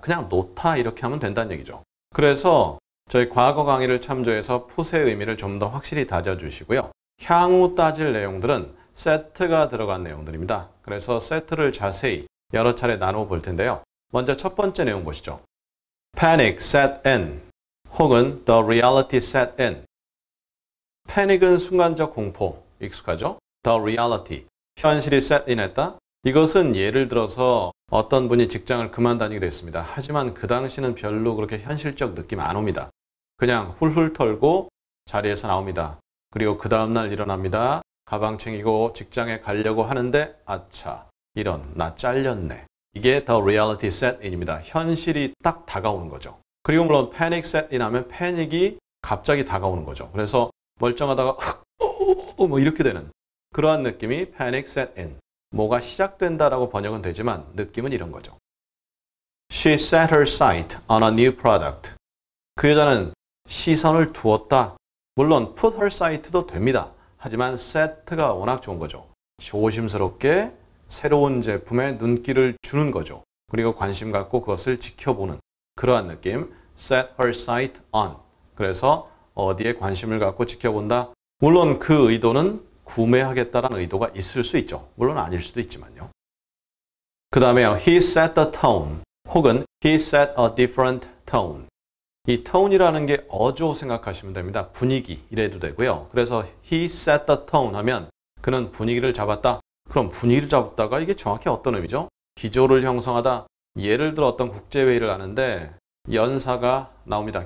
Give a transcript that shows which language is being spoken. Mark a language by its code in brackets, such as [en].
[ko] 그냥 놓다 이렇게 하면 된다는 얘기죠. 그래서 저희 과거 강의를 참조해서 put의 의미를 좀 더 확실히 다져주시고요. 향후 따질 내용들은 set가 들어간 내용들입니다. 그래서 set를 자세히 여러 차례 나눠 볼 텐데요. 먼저 첫 번째 내용 보시죠. [en] Panic set in 혹은 the reality set in. [ko] Panic은 순간적 공포, 익숙하죠? [en] The reality, 현실이 set in 했다. [ko] 이것은 예를 들어서 어떤 분이 직장을 그만 다니게 됐습니다. 하지만 그 당시는 별로 그렇게 현실적 느낌 안 옵니다. 그냥 훌훌 털고 자리에서 나옵니다. 그리고 그 다음날 일어납니다. 가방 챙기고 직장에 가려고 하는데 아차, 이런, 나 잘렸네. [en] 이게 the reality set in입니다. [ko] 현실이 딱 다가오는 거죠. 그리고 물론 [en] panic set in [ko] 하면 패닉이 갑자기 다가오는 거죠. 그래서 멀쩡하다가 뭐 이렇게 되는 그러한 느낌이 [en] panic set in. [ko] 뭐가 시작된다라고 번역은 되지만 느낌은 이런 거죠. [en] She set her sight on a new product. [ko] 그 여자는 시선을 두었다. 물론 [en] put her sight [ko] 도 됩니다. 하지만 set가 워낙 좋은 거죠. 조심스럽게 새로운 제품에 눈길을 주는 거죠. 그리고 관심 갖고 그것을 지켜보는 그러한 느낌. [en] Set her sight on. [ko] 그래서 어디에 관심을 갖고 지켜본다. 물론 그 의도는 구매하겠다라는 의도가 있을 수 있죠. 물론 아닐 수도 있지만요. 그 다음에 [en] He set the tone 혹은 He set a different tone. [ko] 이 tone이라는 게 어조 생각하시면 됩니다. 분위기 이래도 되고요. 그래서 [en] He set the tone [ko] 하면 그는 분위기를 잡았다. 그럼 분위기를 잡았다가 이게 정확히 어떤 의미죠? 기조를 형성하다. 예를 들어 어떤 국제회의를 하는데 연사가 나옵니다.